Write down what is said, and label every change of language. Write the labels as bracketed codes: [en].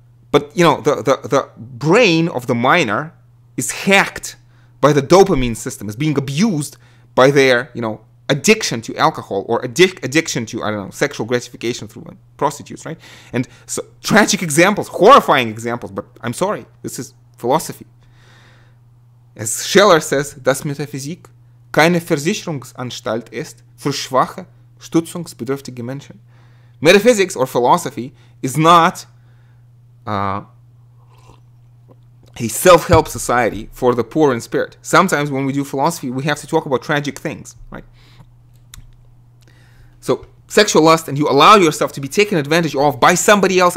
[en] But, you know, the brain of the miner is hacked by the dopamine system, is being abused by their, you know, addiction to alcohol or addiction to, I don't know, sexual gratification through prostitutes, right? And so, tragic examples, horrifying examples, but I'm sorry, this is philosophy. As Scheller says, [de] das Metaphysik keine Versicherungsanstalt ist für schwache, stützungsbedürftige Menschen. [en] Metaphysics, or philosophy, is not a self-help society for the poor in spirit. Sometimes when we do philosophy, we have to talk about tragic things, right? So, sexual lust, and you allow yourself to be taken advantage of by somebody else.